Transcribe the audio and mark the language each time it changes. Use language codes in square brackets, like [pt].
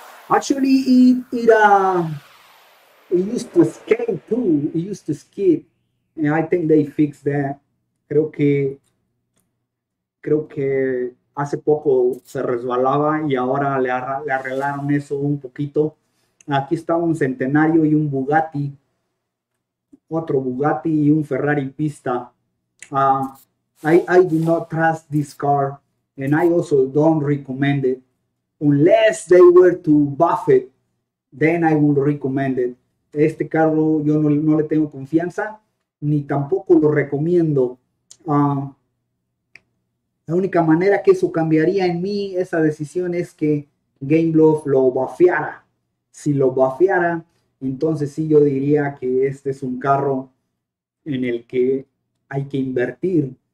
[en] Actually, it used to escape too. It used to skip. And I think they fixed that. [es] Creo que hace poco se resbalaba y ahora le arreglaron eso un poquito. Aquí está un Centenario y un Bugatti, otro Bugatti y un Ferrari pista. [en] I do not trust this car, and I also don't recommend it. Unless they were to Buffett, then I would recommend it. [es] Este carro yo no le tengo confianza, ni tampoco lo recomiendo. La única manera que eso cambiaría en mí, esa decisión, es que Gameloft lo bafeara. Si lo bafeara, entonces sí yo diría que este es un carro en el que hay que invertir.